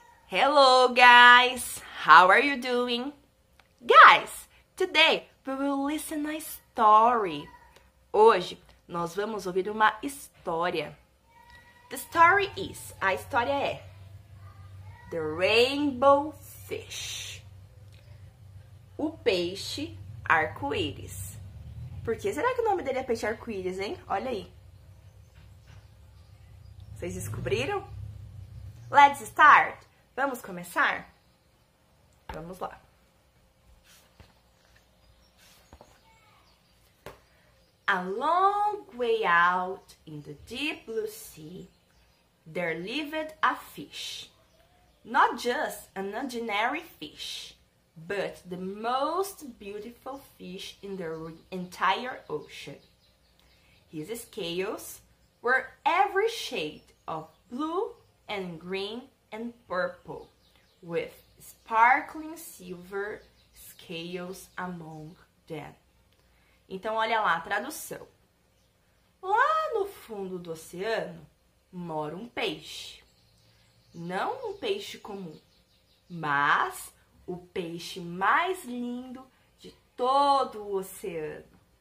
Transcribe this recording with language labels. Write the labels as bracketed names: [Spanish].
[English] Hello guys, how are you doing? Guys, today we will listen a story. [Portuguese] Hoje nós vamos ouvir uma história. [English] The story is, [Portuguese] a história é The Rainbow Fish. O peixe arco-íris. Por que será que o nome dele é peixe arco-íris, hein? Olha aí. Vocês descobriram? [English] Let's start. [Portuguese] Vamos começar? Vamos lá. [English] A long way out in the deep blue sea, there lived a fish. Not just an ordinary fish, but the most beautiful fish in the entire ocean. His scales were every shade of blue and green and purple, with sparkling silver scales among them. [Portuguese] Então, olha lá a tradução. Lá no fundo do oceano mora um peixe. Não um peixe comum, mas o peixe mais lindo de todo o oceano.